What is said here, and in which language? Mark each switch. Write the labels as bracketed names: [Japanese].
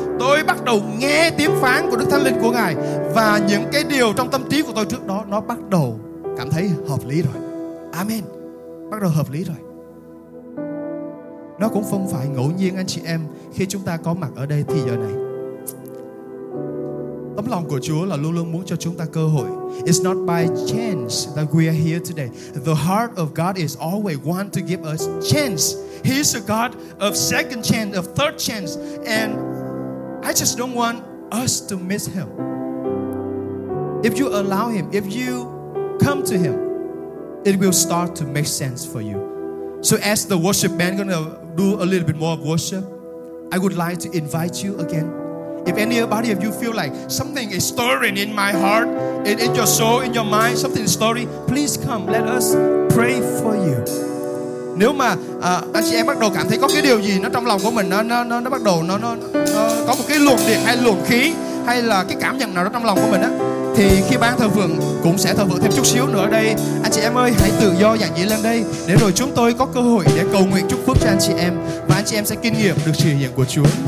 [Vietnamese] Tôi bắt đầu nghe tiếng phán của Đức Thánh Linh của Ngài, và những cái điều trong tâm trí của tôi trước đó nó bắt đầu cảm thấy hợp lý rồi. Amen. Bắt đầu hợp lý rồi. Nó cũng không phải ngẫu nhiên, anh chị em, khi chúng ta có mặt ở đây thì giờ này. Tấm lòng của Chúa là luôn luôn muốn cho chúng ta cơ hội. [English] It's not by chance that we are here today. The heart of God is always want to give us chance. He is a God of second chance, of third chance, and I just don't want us to miss Him. If you allow Him, if you come to Him, it will start to make sense for you. So as the worship band gonna do a little bit more of worship, I would like to invite you again. If anybody of you feel like something is stirring in my heart, in your soul, in your mind, something is stirring, please come, let us pray for you. [Vietnamese] Nếu mà anh chị em bắt đầu cảm thấy có cái điều gì nó trong lòng của mình, nó bắt đầu có một cái luồng điện hay luồng khí, hay là cái cảm nhận nào đó trong lòng của mình á, thì khi ban thờ phượng cũng sẽ thờ phượng thêm chút xíu nữa đây. Anh chị em ơi, hãy tự do giản dị lên đây để rồi chúng tôi có cơ hội để cầu nguyện chúc phước cho anh chị em, và anh chị em sẽ kinh nghiệm được sự hiện diện của Chúa.